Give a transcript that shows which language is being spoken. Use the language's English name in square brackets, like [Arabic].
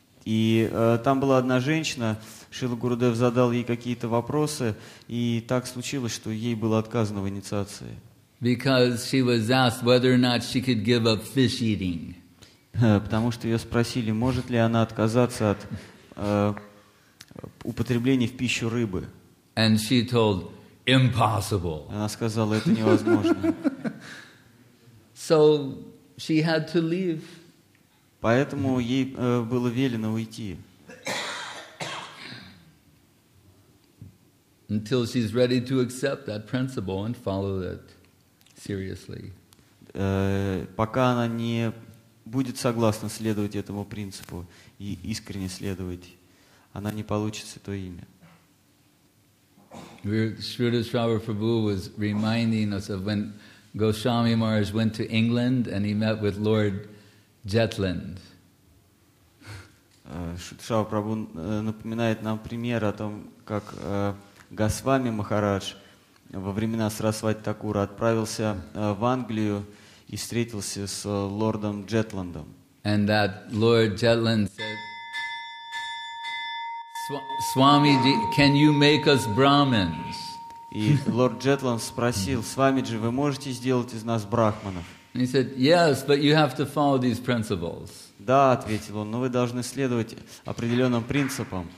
[Russian] И там была одна женщина, Шрила Гурудев задал ей какие-то вопросы, и так случилось, что ей было отказано в инициации. [English] Because she was asked whether or not she could give up fish eating. [Russian] Потому что ее спросили, может ли она отказаться от употребление в пищу рыбы. [English] And she told, impossible. [Russian] Она сказала, это невозможно. [English] So she had to leave. [Russian] Поэтому ей было велено уйти. [English] Until she's ready to accept that principle and follow it seriously. [Russian] Пока она не будет согласна следовать этому принципу и искренне следовать, она не получит Святое Имя. [English] Shruti Srava Prabhu was reminding us of when Goswami Maharaj went to England and he met with Lord Jetland. [Russian] Shruti Srava Prabhu напоминает нам пример о том, как Госвами Махарадж во времена Сарасвати Такура отправился в Англию и встретился с лордом Джетландом. [English] And that Lord Jetland said, Swamiji, can you make us Brahmins? [Russian] И лорд Джетланд спросил: Свамиджи, вы можете сделать из нас брахманов? [English] And he said, "Yes, but you have to follow these principles." [Russian] Да, ответил он, но вы должны следовать определенным принципам.